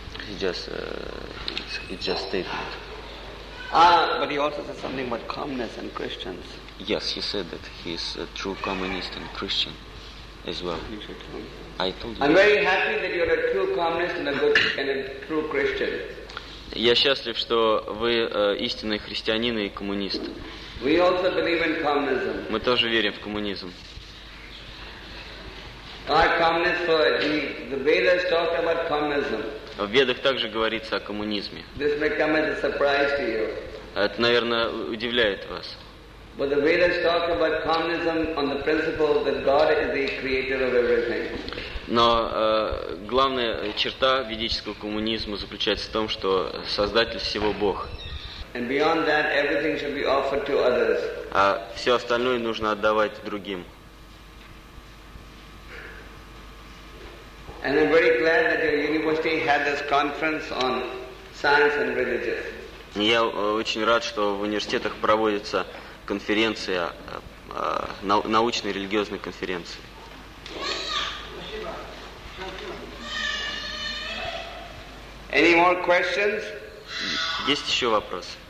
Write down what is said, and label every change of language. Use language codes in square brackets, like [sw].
[en] It's just statement. But he also said something about communists and Christians. Yes, he said that he's a true communist and Christian as well. You should tell me. I told you. I'm very happy that you're a true communist and a true Christian. [ru] Я счастлив, что вы истинный христианин и коммунист. [en] We also believe in communism. [ru] Мы тоже верим в коммунизм. [en] Our communists, the Vedas talk about communism. [ru] В Ведах также говорится о коммунизме. [en] This may come as a surprise to you. [ru] Это, наверное, удивляет вас. [en] But the Vedas talk about communism on the principle that God is the creator of everything. [ru] Но главная черта ведического коммунизма заключается в том, что создатель всего Бог. [en] And beyond that, everything should be offered to others. [ru] А все остальное нужно отдавать другим. [en] And I'm very glad that your university had this conference on science and religion. [ru] Я очень рад, что в университетах проводится конференция, научно-религиозная конференция. [en] Any more questions? [ru] Есть еще вопросы?